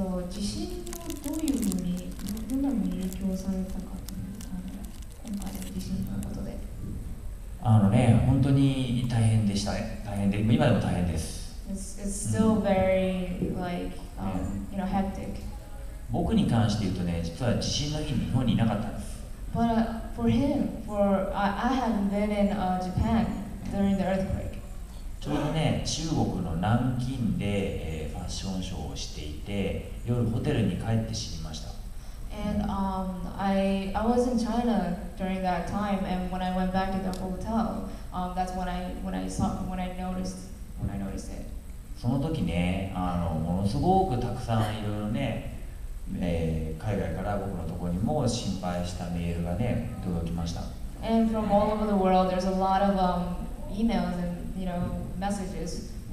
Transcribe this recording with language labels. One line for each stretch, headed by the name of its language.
Japanese: 地震をどういうふうに、どんなふうに影響されたかという今回の地震のことで。ね、本当に大変でした。大変で、今でも大変です。
English: It's still very, like, you know, hectic.
Japanese: 僕に関して言うとね、実は地震の日に日本にいなかったんです。
English: But for him, I haven't been in Japan during the earthquake.
Japanese: ちょうどね、中国の南京で、ファッションショーをしていて、夜ホテルに帰って死にました。
English: And I was in China during that time, and when I went back to the hotel, that's when I noticed it.
Japanese: その時ね、ものすごくたくさんいろいろね、海外から僕のところにも心配したメールがね、届きました。
English: And from all over the world, there's a lot of emails and you know messages.